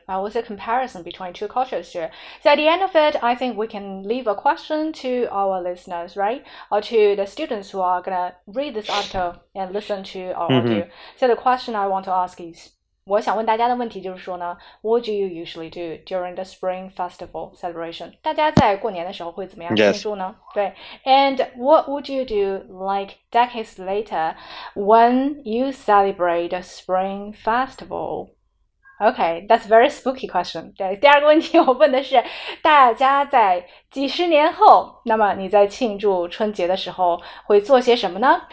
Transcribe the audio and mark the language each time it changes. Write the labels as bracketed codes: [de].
[en] That was a comparison between two cultures here. So at the end of it, I think we can leave a question to our listeners, right? Or to the students who are gonna read this article and listen to our audio. So the question I want to ask is, [zh] 我想问大家的问题就是说呢, [en] what do you usually do during the spring festival celebration? Yes. [zh] 大家在过年的时候会怎么样庆祝呢? [en] 对, and what would you do like decades later when you celebrate the spring festival? Okay, that's a very spooky question. [zh] 对,第二个问题我问的是,大家在几十年后,那么你在庆祝春节的时候会做些什么呢?